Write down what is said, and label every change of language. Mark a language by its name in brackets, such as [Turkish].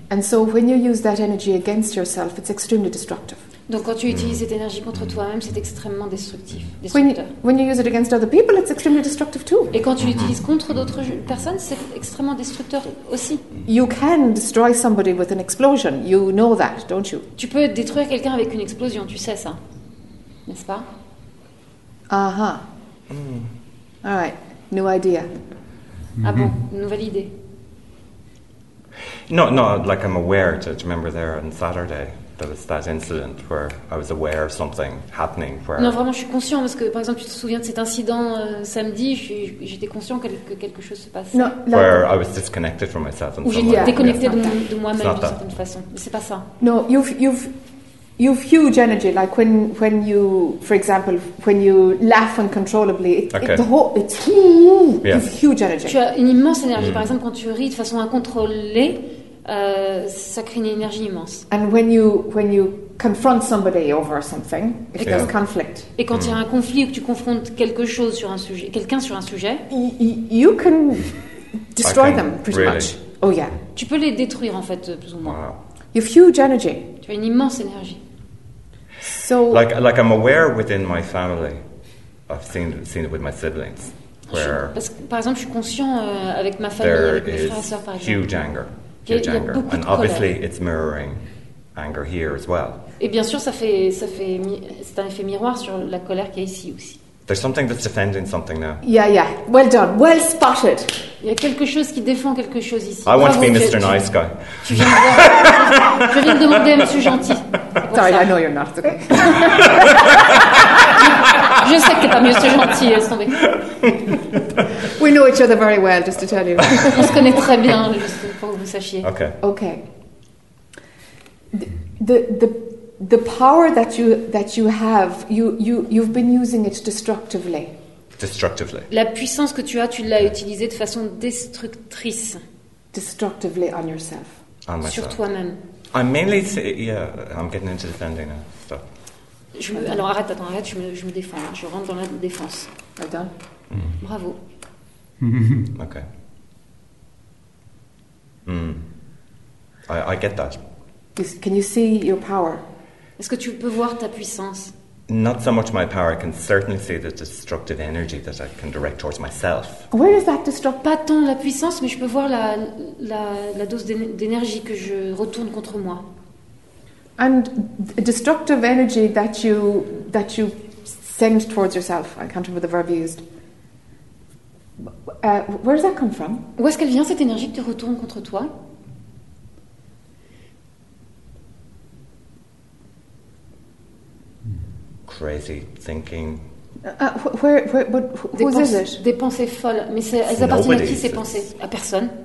[English] And so when you use that energy against yourself, it's extremely destructive. [French] Donc quand tu utilises cette énergie contre toi-même, c'est extrêmement destructeur. [English] When you use it against other people, it's extremely destructive too. [French] Et quand tu l'utilises contre d'autres personnes, c'est extrêmement destructeur aussi. [English] You can destroy somebody with an explosion. You know that, don't you? [French] Tu peux détruire quelqu'un avec une explosion, tu sais ça. N'est-ce pas? [English] Aha. All right. New idea. [French] Ah bon, nouvelle idée. [English] No, like I'm aware to remember there on Saturday. There was that incident where I was aware of something happening. Where [French] non, vraiment, je suis conscient parce que, par exemple, tu te souviens de cet incident samedi. J'étais conscient que quelque chose se passait. [English] No, where I was disconnected from myself. [French] Où j'étais déconnecté de moi-même d'une certaine façon. Mais c'est pas ça. [English] No, you've huge energy. Like when you, for example, when you laugh uncontrollably, it's huge energy. [French] Tu as une immense énergie. Mm. Par exemple, quand tu ris de façon incontrôlée. Ça crée une énergie immense. [English] And when you confront somebody over something, if there's conflict. [French] Et quand il y a un conflit ou que tu confrontes quelque chose sur un sujet, quelqu'un sur un sujet, [English] you can destroy them pretty really? Much. Oh yeah. [French] Tu peux les détruire en fait plus ou moins. [English] Wow. You have huge energy. [French] Tu as une immense énergie. [English] So like I'm aware within my family, I've seen it with my siblings. Where [French] par exemple, je suis conscient avec ma famille, avec mes frères et sœurs par exemple. [English] Huge anger. And obviously, it's mirroring anger here as well. [French] Et bien sûr, ça fait, c'est un effet miroir sur la colère qu'il y a ici aussi. [English] There's something that's defending something now. Yeah, yeah. Well done. Well spotted. [French] Il y a quelque chose qui défend quelque chose ici. [English] I want to be Mr. Nice Guy. [French] Je viens de demander à Monsieur Gentil. [English] Sorry, I know you're not. Okay. [French] Je sais que t'es pas Monsieur Gentil, laisse tomber. [English] We know each other very well, just to tell you. [French] On se connaît très bien, juste pour que vous sachiez. [English] Okay. Okay. The power that you have, you've been using it destructively. Destructively. [French] La puissance que tu as, tu l'as utilisée de façon destructrice. [English] Destructively on yourself. On myself. [French] Sur toi-même. [English] I'm mainly, I'm getting into defending now. So. [French] Arrête, je me défends. Je rentre dans la défense. [English] Well done. [French] Mm. Bravo. [English] Okay. Mm. I get that. Can you see your power? [French] Est-ce que tu peux voir ta puissance? [English] Not so much my power. I can certainly see the destructive energy that I can direct towards myself. Where is that destructive? [French] Pas tant la puissance, mais je peux voir la dose d'énergie que je retourne contre moi. [English] And destructive energy that you send towards yourself. I can't remember the verb used. Where does that come from? [French] Où est-ce qu'elle vient cette énergie que tu retournes contre toi? [English] Crazy thinking. Who is it? [French] Des pensées folles. Mais elles appartiennent à qui ces pensées? À personne.